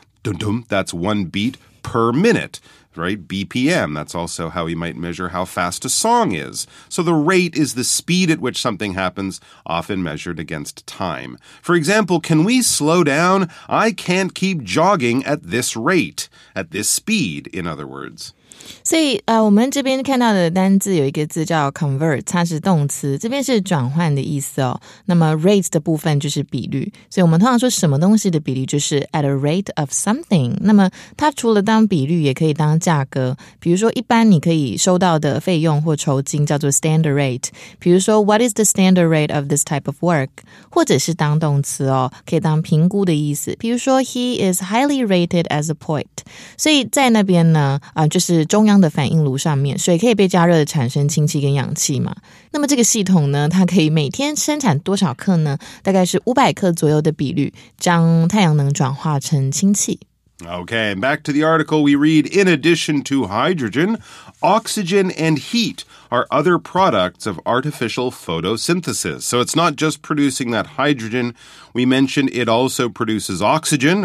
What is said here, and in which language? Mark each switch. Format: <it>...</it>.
<en>Dun-dun, that's one beat per minute. Right? BPM. That's also how we might measure how fast a song is. So the rate is the speed at which something happens, often measured against time. For example, can we slow down? I can't keep jogging at this rate, at this speed, in other words.</en> <zh>所以我们这边看到的单字有一个字叫 convert， 它是动词，这边是转换的意思哦。那么 rate 的部分就是比率，所以我们通常说什么东西的比率就是 at a rate of something。那么它除了当比率也可以当价格，比如说一般你可以收到的费用或酬金叫做 standard rate， 比如说</zh> <en>what is the standard rate of this type of work，</en> <zh>或者是当动词哦，可以当评估的意思，比如说</zh> <en>he is highly rated as a poet。</en> <zh>所以在那边呢、就是中央的反应炉上面，水可以被加热的产生氢气跟氧气嘛。那么这个系统呢，它可以每天生产多少克呢？大概是500克左右的比率，将太阳能转化成氢气。</zh> <en>Okay, back to the article, we read, in addition to hydrogen, oxygen and heat are other products of artificial photosynthesis. So it's not just producing that hydrogen. We mentioned it also produces oxygen.</en>